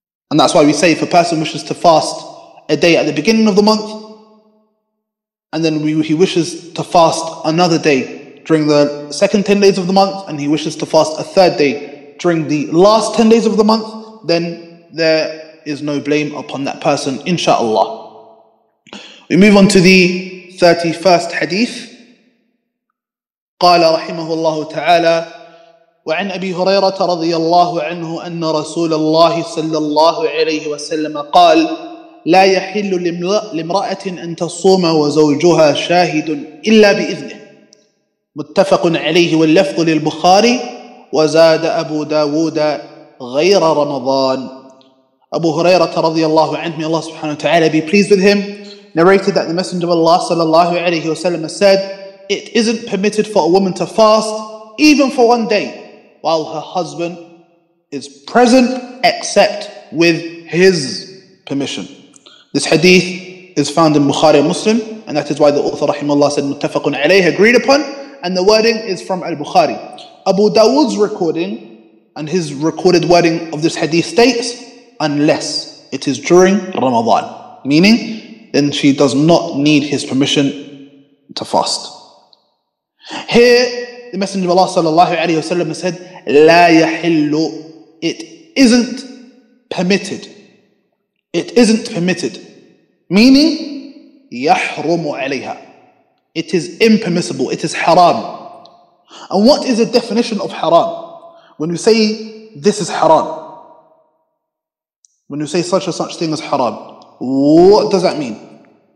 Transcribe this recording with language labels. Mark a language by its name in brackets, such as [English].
[English] And that's why we say if a person wishes to fast a day at the beginning of the month, and then he wishes to fast another day during the second 10 days of the month, and he wishes to fast a third day during the last 10 days of the month, then there is no blame upon that person, inshallah. We move on to the 31st hadith. [Arabic] قال رحمه الله تعالى وعن أبي هريرة رضي الله عنه أن رسول الله صلى الله عليه وسلم قال لا يحل لامرأة أن تصوم وزوجها شاهد إلا بإذنه متفق عليه واللفظ للبخاري وزاد أبو داود غير رمضان. [English] أبو هريرة رضي الله عنه, may Allah سبحانه وتعالى be pleased with him, narrated that the Messenger of Allah صلى الله عليه وسلم said, it isn't permitted for a woman to fast even for 1 day while her husband is present except with his permission. This hadith is found in Bukhari and Muslim, and that is why the author rahimahullah said muttafaqun alayhi, agreed upon, and the wording is from Al-Bukhari. Abu Dawud's recording and his recorded wording of this hadith states unless it is during Ramadan, meaning then she does not need his permission to fast. Here, the Messenger of Allah sallallahu alayhi wa sallam said, [Arabic] لا يحل, [English] it isn't permitted. It isn't permitted. Meaning, [Arabic] يحرم عليها. [English] It is impermissible, it is haram. And what is the definition of haram? When we say this is haram, when we say such and such thing as haram, what does that mean?